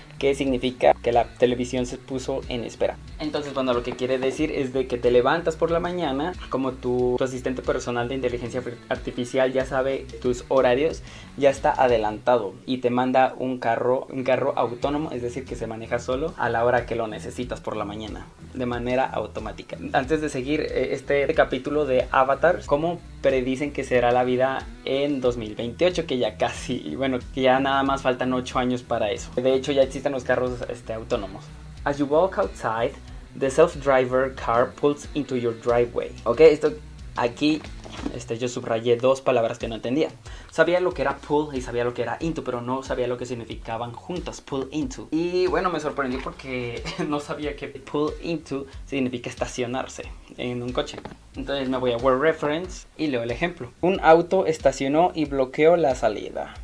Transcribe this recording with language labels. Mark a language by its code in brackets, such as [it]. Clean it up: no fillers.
[es] que significa que la televisión se puso en espera. Entonces, bueno, lo que quiere decir es de que te levantas por la mañana, como tu asistente personal de inteligencia artificial ya sabe tus horarios, ya está adelantado y te manda un carro autónomo, es decir, que se maneja solo a la hora que lo necesitas por la mañana, de manera automática. Antes de seguir este capítulo de Avatar, ¿cómo predicen que será la vida en 2028? Que ya casi, bueno, que ya nada más faltan 8 años para eso. De hecho, ya existen los carros autónomos. [en] As you walk outside, the self-driver car pulls into your driveway. [es] Ok, esto aquí, yo subrayé dos palabras que no entendía. Sabía lo que era pull y sabía lo que era into, pero no sabía lo que significaban juntas, pull into. Y bueno, me sorprendí porque no sabía que pull into significa estacionarse en un coche. Entonces me voy a Word Reference y leo el ejemplo. Un auto estacionó y bloqueó la salida.